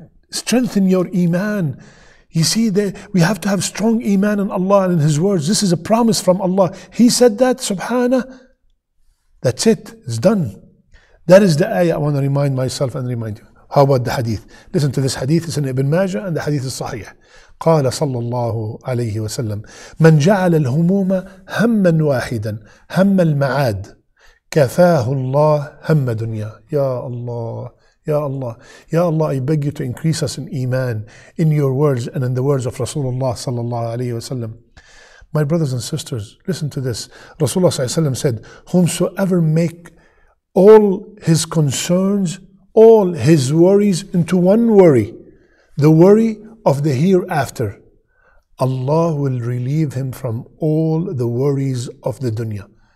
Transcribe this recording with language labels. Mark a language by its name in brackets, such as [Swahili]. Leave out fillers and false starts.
[English] Strengthen your iman. You see, we have to have strong iman in Allah and in His words. This is a promise from Allah. He said that, subhanah. That's it. It's done. That is the ayah I want to remind myself and remind you. How about the hadith? Listen to this hadith. It's in Ibn Majah and the hadith is sahih. [Arabic] قال صلى الله عليه وسلم من جعل الهموم هما واحدا هم المعاد كفاه الله هم دنيا. [English] Ya Allah, Ya Allah, Ya Allah, I beg you to increase us in iman, in your words and in the words of Rasulullah sallallahu alayhi wa sallam. My brothers and sisters, listen to this. Rasulullah sallallahu alayhi wa sallam said, whomsoever make all his concerns, all his worries into one worry, the worry of the hereafter, Allah will relieve him from all the worries of the dunya.